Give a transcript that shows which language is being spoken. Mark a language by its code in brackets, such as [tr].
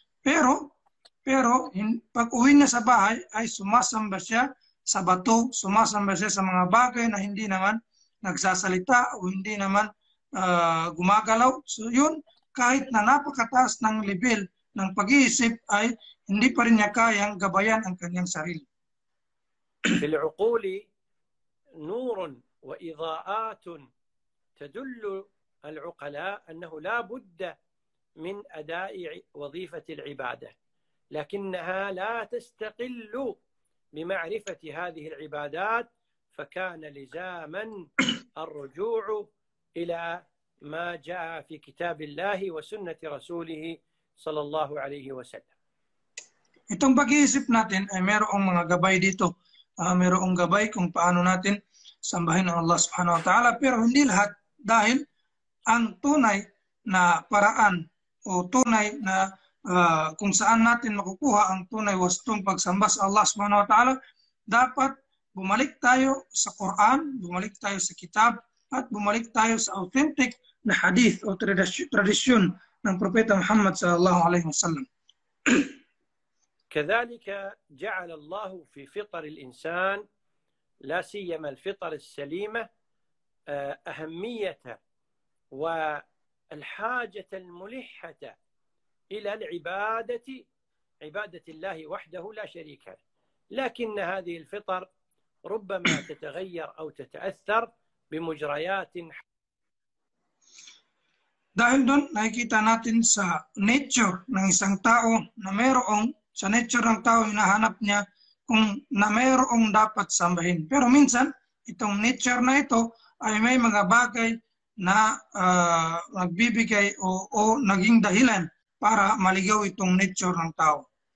[tl] Pero pag-uwi niya sa bahay ay sumasamba siya sa bato, sumasamba siya sa mga bagay na hindi naman nagsasalita o hindi naman gumagalaw. So yun, kahit na napakataas ng level ng pag-iisip ay hindi pa rin niya kayang gabayan ang kanyang sarili. [ar] في العقول نور وإضاءات تدل العقلاء أنه لا بد من أداء وظيفة العبادة، لكنها لا تستقل بمعرفة هذه العبادات، فكان لزاما الرجوع إلى ما جاء في كتاب الله وسنة رسوله صلى الله عليه وسلم. [tl] Itong pag-iisip natin ay mayroong mga gabay dito. Mayroong gabay kung paano natin sambahin ang Allah subhanahu wa ta'ala, pero hindi lahat, dahil ang tunay na paraan o tunay na kung saan natin makukuha ang tunay wastong pagsamba sa Allah subhanahu wa ta'ala, dapat bumalik tayo sa Quran, bumalik tayo sa kitab, at bumalik tayo sa authentic na hadith o tradisyon ng Propeta Muhammad sallallahu alaihi wasallam. [ar] كذلك جعل الله في فطر الإنسان لا سيما الفطر السليمة أهمية والحاجة الملحة إلى العبادة، عبادة الله وحده لا شريك له، لكن هذه الفطر ربما تتغير أو تتأثر بمجريات. [tl] Dahil doon, nakikita natin sa nature ng isang tao na mayroong sa nature ng tao hinahanap niya kung na mayroong dapat sambahin. Pero minsan, itong nature na ito ay may mga bagay na nagbibigay o naging dahilan para maligaw itong nature ng tao.